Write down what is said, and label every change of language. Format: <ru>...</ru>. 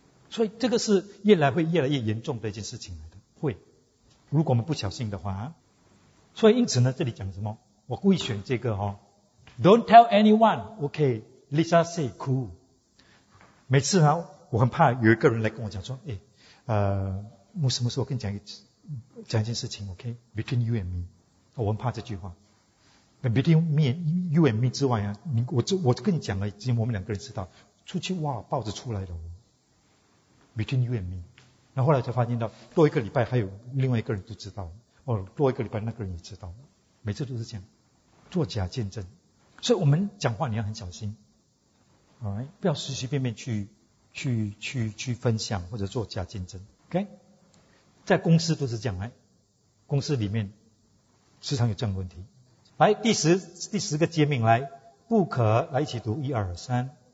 <zh>所以这个是越来会越来越严重的一件事情来的，会，如果我们不小心的话，所以因此呢，这里讲什么？我故意选这个哈、哦、，</zh> <en>Don't tell anyone. OK, Lisa say cool.</en> <zh>每次呢，我很怕有一个人来跟我讲说，哎，牧师，我跟你讲一件事情 ，</zh> <en>OK? Between you and me,</en> <zh>我很怕这句话。</zh> <en>Between me and you and me</en> <zh>之外啊，我跟你讲了，只有我们两个人知道，出去哇，报纸出来了。</zh> <en>Between you and me，</en> <zh>然后后来才发现到多一个礼拜，还有另外一个人都知道哦，多一个礼拜那个人也知道，每次都是这样，作假见证，所以我们讲话你要很小心，好、right? ，不要随随便便去分享或者作假见证 ，OK， 在公司都是这样，来，公司里面时常有这样的问题，来第十个诫命来，不可来一起读1、2、3。</zh>